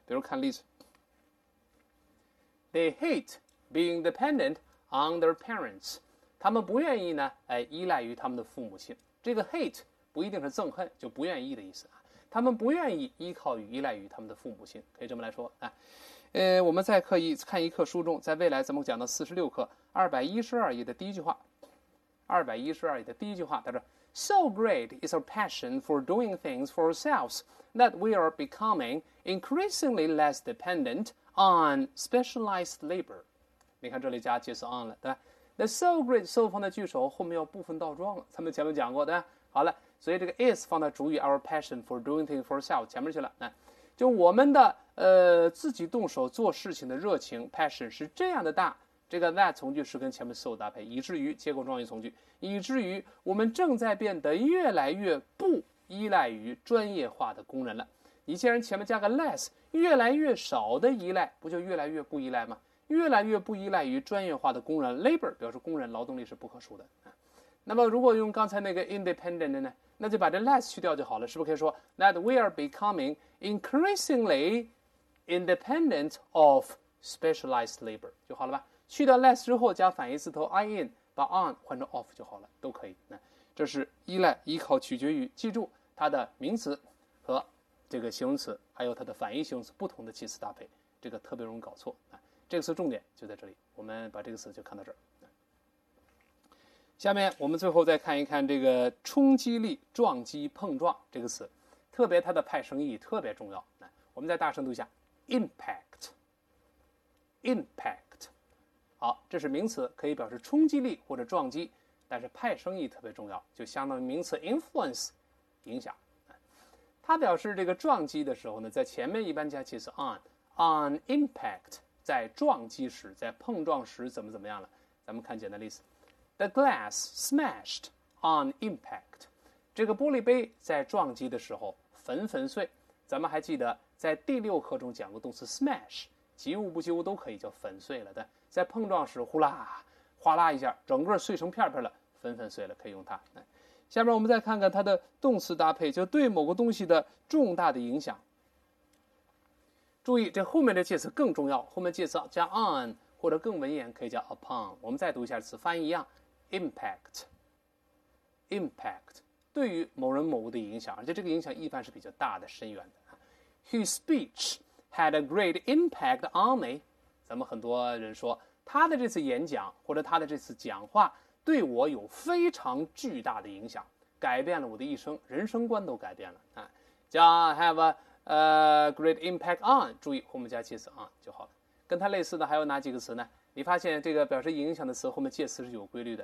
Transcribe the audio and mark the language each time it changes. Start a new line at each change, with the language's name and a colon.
Chinese: 比如看例子，
English: they hateBeing dependent on their parents，
Chinese: 他们不愿意呢，依赖于他们的父母亲。这个 hate 不一定是憎恨，就不愿意的意思啊。他们不愿意依靠与依赖于他们的父母亲，可以这么来说啊。我们再看一课书中，在未来咱们讲到46课212页的第一句话，212页的第一句话，他说 ：
English: “So great is our passion for doing things for ourselves that we are becoming increasingly less dependent on specialized labor.”
Chinese: 你看这里加介词 on 了，对吧？那 so great， so 放在句首，后面要部分倒装了。咱们前面讲过，对吧？好了，所以这个 is 放在主语
English: our passion for doing things for ourselves
Chinese: 前面去了。那就我们的自己动手做事情的热情 passion 是这样的大。这个 that 从句是跟前面 so 搭配，以至于结构状语从句，以至于我们正在变得越来越不依赖于专业化的工人了。你既然前面加个 less， 越来越少的依赖，不就越来越不依赖吗？越来越不依赖于专业化的工人 labor， 表示工人劳动力是不可数的。那么如果用刚才那个 independent 呢，那就把这 less 去掉就好了，是不是可以说
English: that we are becoming increasingly independent of specialized labor 就好了吧。
Chinese: 去掉 less 之后加反义词头 in， 把 on 换成 off 就好了，都可以。那这是依赖、依靠、取决于，记住它的名词和这个形容词，还有它的反义形容词不同的其词搭配，这个特别容易搞错啊。这个词重点就在这里，我们把这个词就看到这儿。下面我们最后再看一看这个冲击力、撞击、碰撞这个词，特别它的派生意特别重要。我们再大声读一下 impact， impact。好，这是名词，可以表示冲击力或者撞击，但是派生意特别重要，就相当于名词 influence， 影响。它表示这个撞击的时候呢，在前面一般加其词 on impact， 在撞击时，在碰撞时怎么怎么样了。
English: 咱们看简单例子，The glass smashed on impact.
Chinese: 这个玻璃杯在撞击的时候粉粉碎。咱们还记得在第六课中讲过动词 smash， 及物不及物都可以叫粉碎了的。在碰撞时呼啦哗啦一下整个碎成片片了，粉粉碎了，可以用它。下面我们再看看它的动词搭配，就对某个东西的重大的影响。注意这后面的介词更重要，后面介词加 on，或者更文言可以叫 upon。我们再读一下词，翻译一样， impact， impact， 对于某人某物的影响，而且这个影响一般是比较大的、深远的。
English: His speech had a great impact on me。
Chinese: 咱们很多人说他的这次演讲或者他的这次讲话对我有非常巨大的影响，改变了我的一生，人生观都改变了。加
English: have a great impact on，
Chinese: 注意后面加介词 on 就好了。跟它类似的还有哪几个词呢？你发现这个表示影响的词后面介词是有规律的。